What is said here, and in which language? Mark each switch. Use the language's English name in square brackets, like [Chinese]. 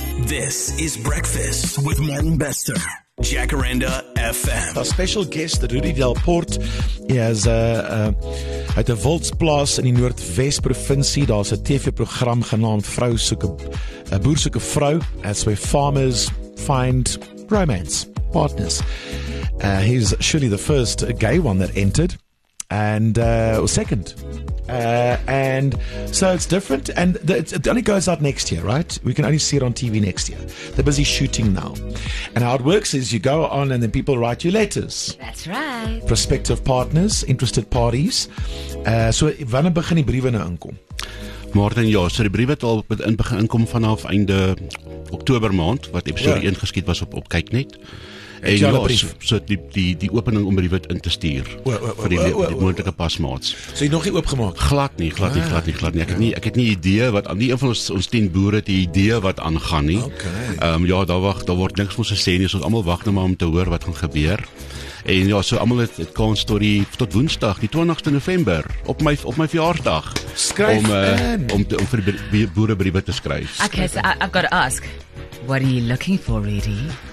[English] This is Breakfast with Martin Bester. Jacaranda FM. Our special guest, Rudy Delport. He has [Afrikaans] uit 'n Wildsplaas in die Noordwes provinsie. Daar's 'n TV-program genaamd Vrou soek 'n boer soek 'n vrou. [English] That's where farmers find romance partners. He's surely the first gay one that entered, and or second. And so it's different, and it only goes out next year, right? We can only see it on TV next year. They're busy shooting now. And how it works is you go on and then people write you letters. That's right. Prospective partners, interested parties. [Afrikaans] So wanneer begin die briewe nou inkom? Martin, ja, so die briewe het al begin inkom vanaf einde Oktober maand, wat episode 1 geskiet was op Kyknet. En ja, so die opening om briewe in te stuur vir die moontlike pasmaats. So jy nog nie oopgemaak? Glad nie. Ek het nie idee wat aan nie een van ons 10 boere het die idee wat aangaan nie. Okay. Ja, daar word niks ons gesê nie, so ons almal wag net maar om te hoor wat gaan gebeur. En ja, so almal het kans tot Woensdag, die 20ste November, op my verjaarsdag. Skryf om vir die boere briewe te skryf. [English] Okay, so I've got to ask, what are you looking for, Rudy?